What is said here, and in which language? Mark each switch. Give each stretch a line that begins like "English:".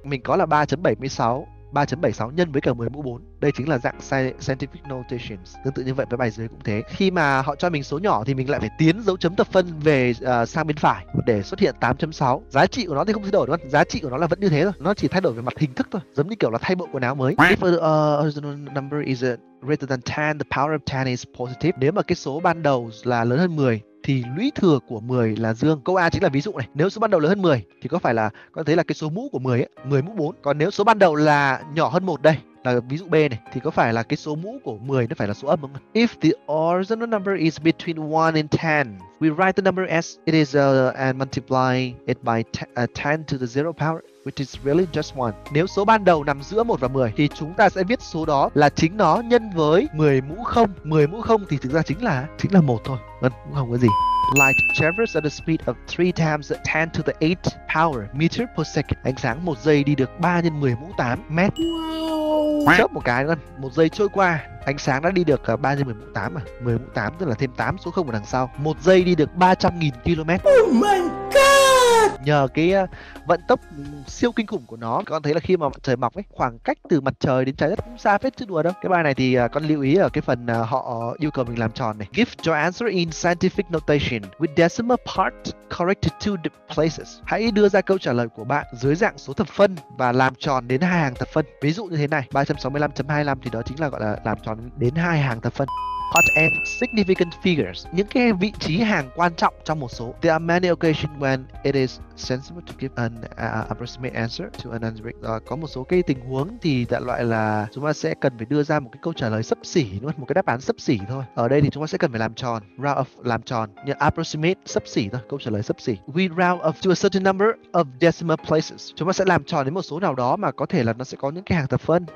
Vietnamese: Mình có là 3.76 nhân với cả 10 mũ 4. Đây chính là dạng scientific notations. Tương tự như vậy với bài dưới cũng thế. Khi mà họ cho mình số nhỏ thì mình lại phải tiến dấu chấm thập phân về sang bên phải để xuất hiện 8.6. Giá trị của nó thì không thay đổi đúng không? Giá trị của nó là vẫn như thế thôi. Nó chỉ thay đổi về mặt hình thức thôi. Giống như kiểu là thay bộ quần áo mới.
English: If the original number is greater than 10, the power of 10 is positive.
Vietnamese: Nếu mà cái số ban đầu là lớn hơn 10 thì lũy thừa của 10 là dương. Câu A chính là ví dụ này. Nếu số ban đầu lớn hơn 10 thì có phải là con thấy là cái số mũ của 10 ấy, 10 mũ 4. Còn nếu số ban đầu là nhỏ hơn 1 đây, là ví dụ B này, thì có phải là cái số mũ của 10 nó phải là số âm không?
English: If the original number is between 1 and 10, we write the number as it is and multiply it by 10 to the 0 power, which is really just 1.
Vietnamese: Nếu số ban đầu nằm giữa 1 và 10 thì chúng ta sẽ viết số đó là chính nó nhân với 10 mũ 0. 10 mũ 0 thì thực ra chính là 1 thôi. Vâng, cũng không có gì.
English: Light travels at a speed of 3 times 10 to the 8 power meter per second.
Vietnamese: Ánh sáng 1 giây đi được 3 nhân 10 mũ 8 mét. Chớp một cái luôn. 1 giây trôi qua, ánh sáng đã đi được 3 nhân 10 mũ 8 à. 10 mũ 8 tức là thêm 8 số 0 ở đằng sau. 1 giây đi được 300.000 km.
English: Oh my god.
Vietnamese: Nhờ cái vận tốc siêu kinh khủng của nó. Con thấy là khi mà mặt trời mọc ấy, khoảng cách từ mặt trời đến trái đất cũng xa phết chứ đùa đâu. Cái bài này thì con lưu ý ở cái phần họ yêu cầu mình làm tròn này.
English: Give your answer in scientific notation with decimal part corrected to the places.
Vietnamese: Hãy đưa ra câu trả lời của bạn dưới dạng số thập phân và làm tròn đến hai hàng thập phân. Ví dụ như thế này, 365.25 thì đó chính là gọi là làm tròn đến hai hàng thập phân.
English: Part F, significant figures.
Vietnamese: Những cái vị trí hàng quan trọng trong một số.
English: There are many occasions when it is sensible to give an approximate answer to an algebraic.
Vietnamese: Có một số cái tình huống thì đại loại là chúng ta sẽ cần phải đưa ra một cái câu trả lời xấp xỉ luôn, một cái đáp án xấp xỉ thôi. Ở đây thì chúng ta sẽ cần phải làm tròn, round of làm tròn, như approximate xấp xỉ thôi, câu trả lời xấp xỉ.
English: We round off to a certain number of decimal places.
Vietnamese: Chúng ta sẽ làm tròn đến một số nào đó mà có thể là nó sẽ có những cái hàng thập phân.